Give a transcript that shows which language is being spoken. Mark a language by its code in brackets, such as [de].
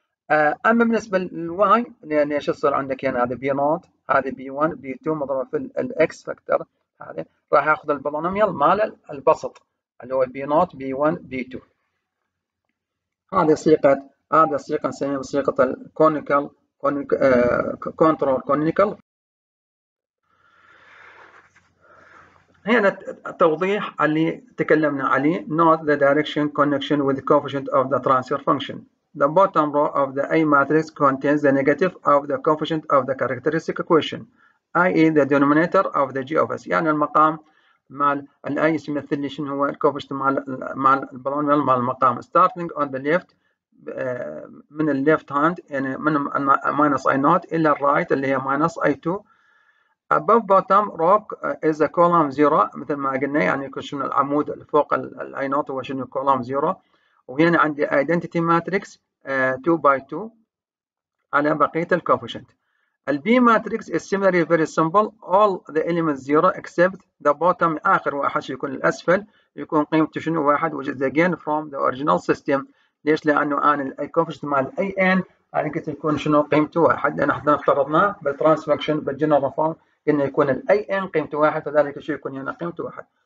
[ar] اما بالنسبه للواي يعني شو يصير عندك هنا؟ هذا بي نوت هذا بي 1 بي 2 مضروبه في الاكس فاكتور، هذا راح ياخذ البولونوميال مال البسط اللي هو بي نوت بي 1 بي 2. هذه صيغه، هذه الصيغه نسميها صيغه الكونيكال كونترول كونيكال. هنا التوضيح اللي تكلمنا عليه، [en] note the direction connection with the coefficient of the transfer function. The bottom row of the A matrix contains the negative of the coefficient of the characteristic equation, i.e. the denominator of the G of S. [ar] يعني المقام مال الـ A يمثل لي شنو هو الكوفيشنت مال البولونوميال مال المقام. [en] Starting on the left من الـ left hand [ar] يعني من [en] minus I naught إلى الـ right اللي هي minus I2. Above bottom rock is a column zero [ar] مثل ما قلنا، يعني يكون شنو العمود اللي فوق الاي نوت هو شنو كولوم زيرو. وهنا عندي ايدنتيتي ماتريكس 2 باي 2 على بقيه الكوفيشنت. [en] البي matrix is similarly very simple, all the elements zero except the bottom [ar] اخر واحد يكون الاسفل يكون قيمته شنو واحد، [en] which is again from the original system. [ar] ليش؟ لانه انا الكوفيشنت مال اي ان يعني كنت يكون شنو قيمته واحد، لان احنا افترضناه بالترانسفكشن بالجنرال فورم انه يكون الاي ان قيمته واحد، فذلك شو يكون هنا قيمته واحد.